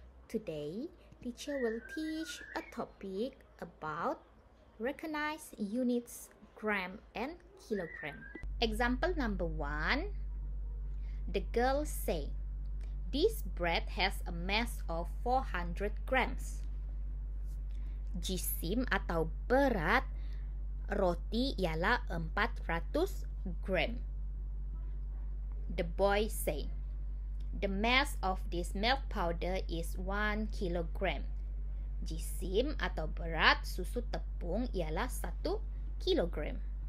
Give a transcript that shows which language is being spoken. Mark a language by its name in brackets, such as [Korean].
[English] Today, teacher will teach a topic about recognize units gram and kilogram. Example number one. The girl say, this bread has a mass of 400 grams. [Malay] Jisim atau berat roti ialah 400 gram. [English] The boy say, the mass of this milk powder is 1 kilogram. [Malay] Jisim atau berat susu tepung ialah 1 kilogram.